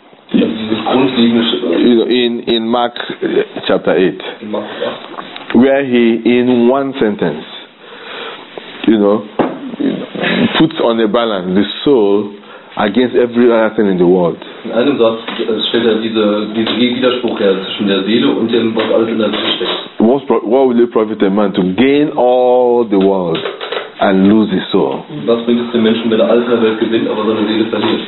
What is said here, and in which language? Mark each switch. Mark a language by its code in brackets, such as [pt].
[en] In Mark chapter 8, where he in one sentence, you know, puts on a balance the soul against every other thing in the world. [de] In einem Satz stellt er diese Widerspruch her zwischen der Seele und dem, was alles in der Seele steckt. [en] What will it profit a man to gain all the world and lose his soul? [de] Was bringt es dem Menschen, wenn er alles in der Welt gewinnt, aber seine Seele verliert?